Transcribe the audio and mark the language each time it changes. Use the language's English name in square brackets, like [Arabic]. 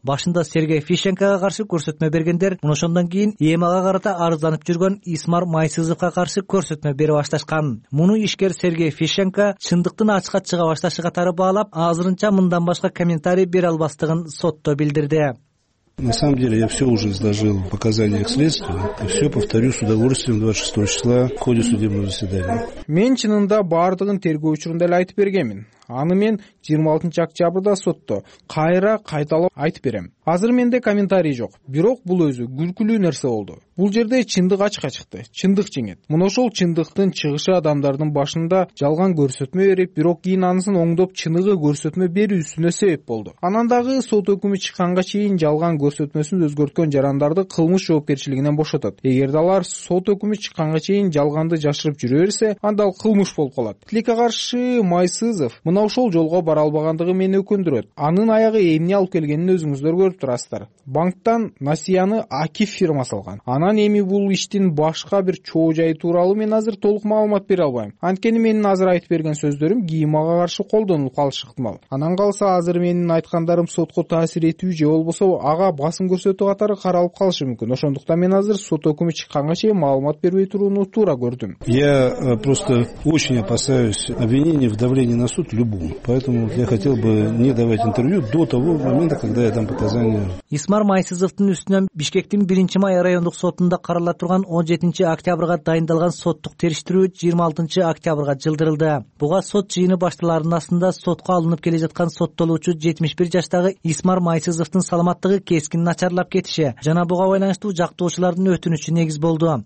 [Kyrgyz] Башында Сергей Фишенкага каршы көрсөтмө бергендер, ошондон кийин ЕМАга карата арызданып жүргөн Исмар Майсызовго каршы көрсөтмө бере башташкан. Муну ишкер Сергей Фишенко чындыктын ачыкка чыга башташы катары баалап, азырынча мындан башка комментарий бере албастыгын сотто билдирди. [Russian] На самом деле я все уже изложил в показаниях следствия и все повторю с удовольствием 26 числа в ходе судебного заседания. [Kyrgyz] Мен чынында бардыгын тергөө учурунда эле айтып бергемин. Аны мен 26 октябрда сотто кайра кайталап айтып берем. Азыр менде комментарий жок, бирок бул өзү күлкүлүү нерсе болду. Бул жерде чындык ачыкка чыкты, чындык жеңет. Мына ошол чындыктын чыгышы адамдардын башында жалган көрсөтмө берип, бирок кийин анысын оңдоп чыныгы көрсөтмө берүү үстүнө себеп болду. Анан дагы сот өкүмү чыкканга чейин жалган көрсөтмөсүн өзгөрткөн жарандарды кылмыш жоопкерчилигинен бошотот. Эгерде алар сот өкүмү чыкканга чейин жалганды жашырып жүрө берсе, анда ал кылмыш болуп калат. Тилекке каршы Майсызов мына ошол жолго бара албагандыгы мени өкүндүрөт. Анын аягы эмне алып келгенин өзүңүздөр көрүп турасыздар. Банктан насыяны Акиф фирмасы алган. Анан эми бул иштин башка бир чоо жайы тууралуу мен азыр толук маалымат бере албайм. Анткени менин азыр айтып берген сөздөрүм ГИИМ-га каршы колдонулуп калышы ыктымал. Анан калса азыр менин айткандарым сотко таасир этүү же болбосо ага басым көрсөтүү катары каралып калышы мүмкүн. Ошондуктан мен азыр сот өкүмү чыкканга чейин маалымат бербей турууну туура көрдүм. [Russian] Я просто очень опасаюсь обвинения в давлении на суд любому. Поэтому я хотел бы не давать интервью до того момента, когда я дам показания. [Kyrgyz] Исмар Майсызовтун үстүнөн Бишкектин 1 май райондук сотунда карала турган 17 октябрга дайындалган соттук териштирүү 26 октябрга жылдырылды. Буга сот жыйыны башталарынын астында сотко алынып келе жаткан соттолуучу 71 жаштагы Исмар Майсызовтун саламаттыгы кескин начарлап кетиши жана буга байланыштуу жактоочулардын өтүнүчү негиз болду.